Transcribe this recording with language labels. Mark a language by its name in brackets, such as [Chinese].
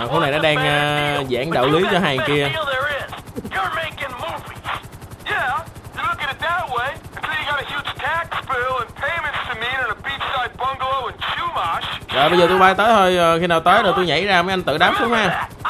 [Vietnamese] À, con này nó đang giảng đạo lý cho hai kia. [English] You're making movies. Yeah, you look at it that way. Until you got a huge tax bill and payments to meet and a beachside bungalow in Chumash. [Vietnamese] Rồi bây giờ tôi bay tới thôi, khi nào tới rồi tôi nhảy ra mấy anh tự đám xuống ha.